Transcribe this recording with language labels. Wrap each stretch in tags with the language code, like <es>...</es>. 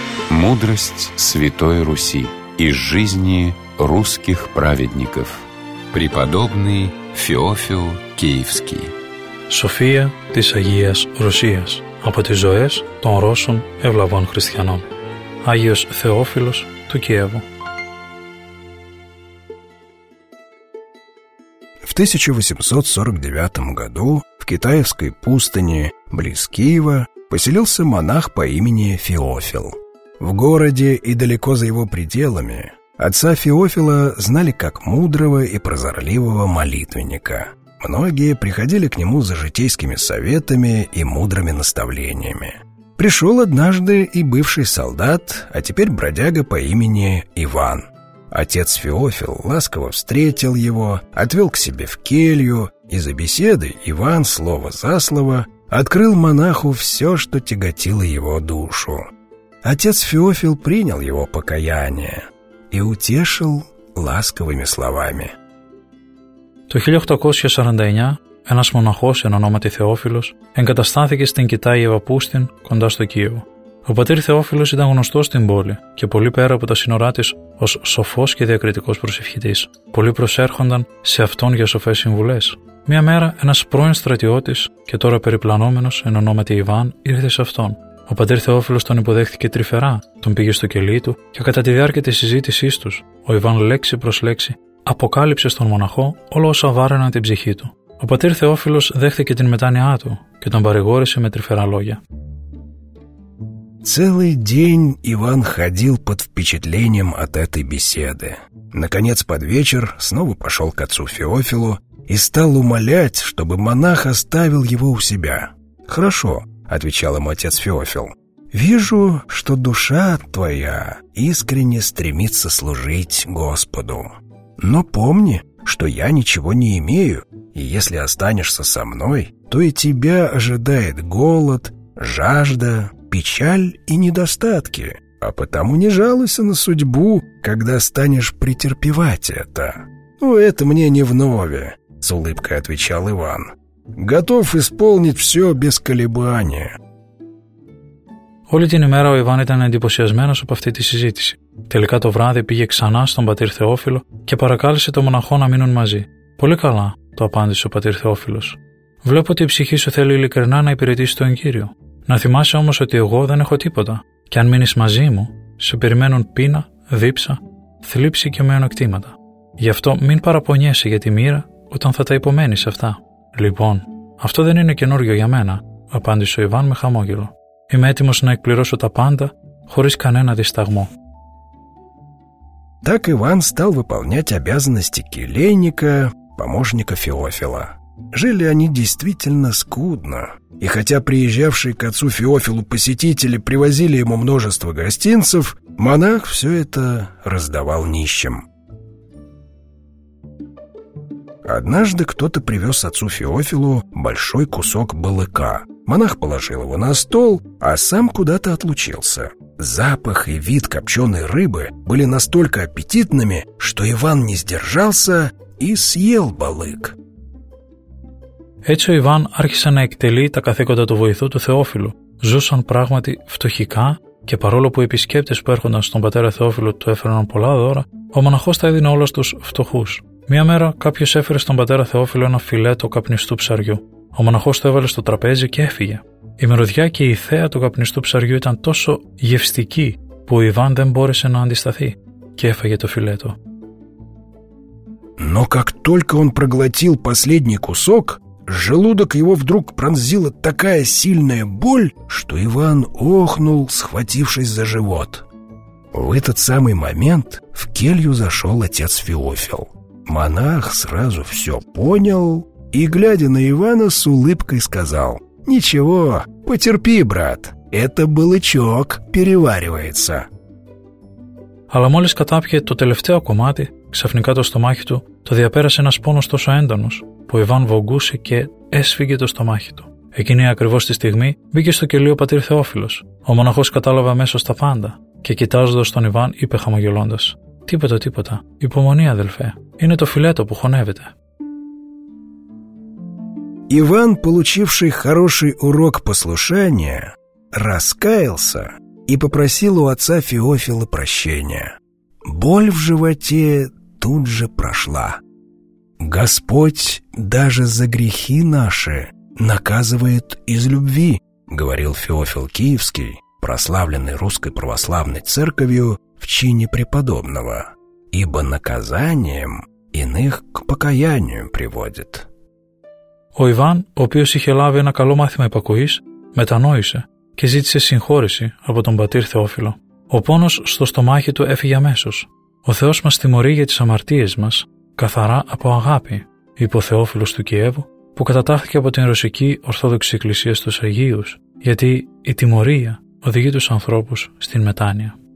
<ru>Мудрость Святой Руси из жизни русских праведников. Преподобный Феофил Киевский.</ru> <el>София της Агίας Ρωσίας. Από τις ζωές των Ρώσων ευλαβών χριστιανών. Άγιος Θεόφιλος του Κιέβου.</el> <ru>В 1849 году в китайской пустыне близ Киева поселился монах по имени Феофил. В городе и далеко за его пределами отца Феофила знали как мудрого и прозорливого молитвенника. Многие приходили к нему за житейскими советами и мудрыми наставлениями. Пришел однажды и бывший солдат, а теперь бродяга по имени Иван. Отец Феофил ласково встретил его, отвел к себе в келью, и за беседой Иван слово за слово открыл монаху все, что тяготило его душу. Отец Феофил принял его покаяние и утешил ласковыми словами.</ru> <el>Το 1849 ένας μοναχός εν ονόματι Θεόφιλος εγκαταστάθηκε στην Κιτάιεβα Πούστην κοντά στο Κίεβο. Ο πατήρ Θεόφιλος ήταν γνωστός στην πόλη και πολύ πέρα από τα σύνορά της ως σοφός και διακριτικός προσευχητής. Πολλοί προσέρχονταν σε αυτόν για σοφές συμβουλές. Μια μέρα ένας πρώην στρατιώτης και τώρα περιπλανόμενος εν ονόματι Ιβάν ήρθε σε αυτόν. Ο πατήρ Θεόφιλος τον υποδέχθηκε τρυφερά, τον πήγε στο κελί του και κατά τη διάρκεια της συζήτησής τους, ο Ιβάν λέξη προς λέξη αποκάλυψε στον μοναχό όλα όσα βάραιναν την ψυχή του. Ο πατήρ Θεόφιλος δέχθηκε την μετάνοιά του και τον παρηγόρησε με τρυφερά λόγια.</el> <ru>Целый день Иван ходил под впечатлением от этой беседы. Наконец под вечер снова пошел к отцу Феофилу и стал умолять, чтобы монах оставил его у себя. «Хорошо», — отвечал ему отец Феофил. «Вижу, что душа твоя искренне стремится служить Господу. Но помни, что я ничего не имею, и если останешься со мной, то и тебя ожидает голод, жажда, печаль и недостатки, а потому не жалуйся на судьбу, когда станешь претерпевать это». «Ну, это мне не внове», — с улыбкой отвечал Иван. «Готов исполнить все без колебания».</ru> <el>Όλη την ημέρα ο Ιβάν ήταν εντυπωσιασμένος από αυτή τη συζήτηση. Τελικά το βράδυ πήγε ξανά στον πατήρ Θεόφιλο και παρακάλεσε τον μοναχό να μείνουν μαζί. «Πολύ καλά», το απάντησε ο πατήρ Θεόφιλος. «Βλέπω ότι η ψυχή σου θέλει ειλικρινά να υπηρετήσει τον Κύριο. Να θυμάσαι όμως ότι εγώ δεν έχω τίποτα και αν μείνεις μαζί μου, σε περιμένουν πείνα, δίψα, θλίψη και μειονεκτήματα. Γι' αυτό μην παραπονιέσαι για τη μοίρα όταν θα τα υπομένεις αυτά». «Λοιπόν, αυτό δεν είναι καινούριο για μένα», απάντησε ο Ιβάν με χαμόγελο. «Είμαι έτοιμος να εκπληρώσω τα πάντα, χωρίς κανένα δισταγμό».</el> <ru>Так Иван стал выполнять обязанности келейника, помощника Феофила. Жили они действительно скудно. И хотя приезжавшие к отцу Феофилу посетители привозили ему множество гостинцев, монах все это раздавал нищим. Однажды кто-то привез отцу Феофилу большой кусок балыка. Монах положил его на стол, а сам куда-то отлучился. Запах и вид копченой рыбы были настолько аппетитными, что Иван не сдержался и съел балык.</ru> <el>Έτσι ο Ιβάν άρχισε να εκτελεί τα καθήκοντα του βοηθού του Θεόφιλου. Ζούσαν πράγματι φτωχικά και παρόλο που οι επισκέπτες που έρχονταν στον πατέρα Θεόφιλο του έφεραν πολλά δώρα, ο μοναχός τα έδινε όλα στους φτωχούς. Μία μέρα κάποιος έφερε στον πατέρα Θεόφιλο ένα φιλέτο καπνιστού ψαριού. Ο μοναχός το έβαλε στο τραπέζι και έφυγε. Η μυρωδιά και η θέα του καπνιστού ψαριού ήταν τόσο γευστική που ο Ιβάν δεν μπόρεσε να αντισταθεί και έφαγε το φιλέτο.</el> <ru>Но как только он проглотил последний кусок, желудок его вдруг пронзила такая сильная боль, что Иван охнул, схватившись за живот. В этот самый момент в келью зашел отец Феофил. Монах сразу все понял и, глядя на Ивана, с улыбкой сказал: «Ничего, потерпи, брат, это балычок переваривается».</ru> <el>Αλλά μόλις κατάπιε το τελευταίο κομμάτι, ξαφνικά το στομάχι του το διαπέρασε ένας πόνος τόσο έντονος που ο Ιβάν βογκούσε και έσφυγε το στομάχι του. Εκείνη ακριβώς τη στιγμή μπήκε στο κελί ο πατήρ Θεόφιλος. Ο μοναχός κατάλαβε αμέσως τα πάντα και κοιτάζοντας τον Ιβάν είπε χαμογελώντας: «Τίποτα, τίποτα. Υπομονή, αδελφέ. Είναι το φιλέτο που χωνεύεται».</el> <ru>Ιβάν, получивший хороший урок послушания, раскаялся и попросил у отца Феофила прощения. Боль в животе тут же прошла. «Господь даже за грехи наши наказывает из любви», говорил Феофил Киевский, прославленный Русской Православной Церковью в чине преподобного, «ибо наказанием иных к покаянию приводит».</ru> <el>Ο Ιβάν, ο οποίος είχε λάβει ένα καλό μάθημα υπακοής, μετανόησε και ζήτησε συγχώρηση από τον πατήρ Θεόφιλο. Ο πόνος στο στομάχι του έφυγε αμέσως. «Ο Θεός μας τιμωρεί για τις αμαρτίες μας, καθαρά από αγάπη», είπε ο Θεόφιλος του Κιέβου, που κατατάχθηκε από την Ρωσική Ορθόδοξη Εκκλησία στους Αγίους, γιατί η τιμωρία οδηγεί τους ανθρώπους στην μετάνοια.</el>